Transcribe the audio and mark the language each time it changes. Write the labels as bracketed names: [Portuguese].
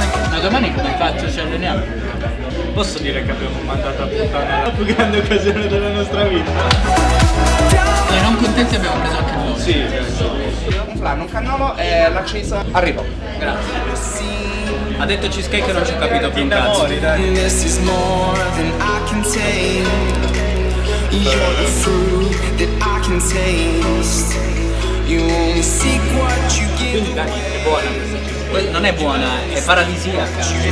[Italian] Ma domani come faccio? Ci alleniamo? Posso dire che abbiamo mandato a puttana la più grande occasione della nostra vita? E non contenti abbiamo preso anche noi. Sì, un flan, un cannolo e l'acceso. Arrivo. Grazie. Ha detto cheesecake che non ci ho capito più un cazzo. [English] This is more than I can take. You're the fruit that I can taste. You only seek what you give. [Italian] Quindi Dani, è buona questa. Non è buona, è paradisiaca.